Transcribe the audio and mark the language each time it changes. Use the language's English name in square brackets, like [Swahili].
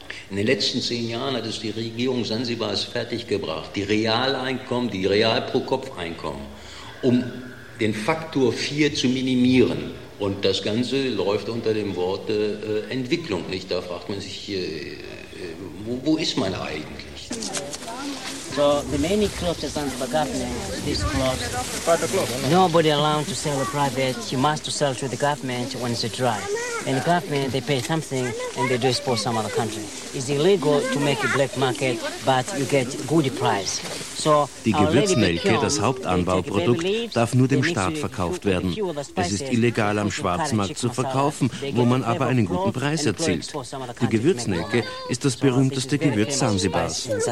[German] In den letzten 10 Jahren hat es die Regierung Sansibars fertiggebracht, die Realeinkommen, die Real-Pro-Kopf-Einkommen, um den Faktor 4 zu minimieren. Und das Ganze läuft unter dem Wort Entwicklung. Nicht? Da fragt man sich, wo ist man eigentlich? [English] So the many clubs that Zanzibar government, these clubs, private club, nobody allowed to sell a private, you must sell to the government when it's dry. And the government, they pay something and they do export some other country. It's illegal to make a black market, but you get good price. So [German] die Gewürzmelke, das Hauptanbauprodukt, darf nur dem Staat verkauft werden. Es ist illegal, am Schwarzmarkt zu verkaufen, wo man aber einen guten Preis erzielt. Die Gewürzmelke ist das berühmteste Gewürz Zanzibars.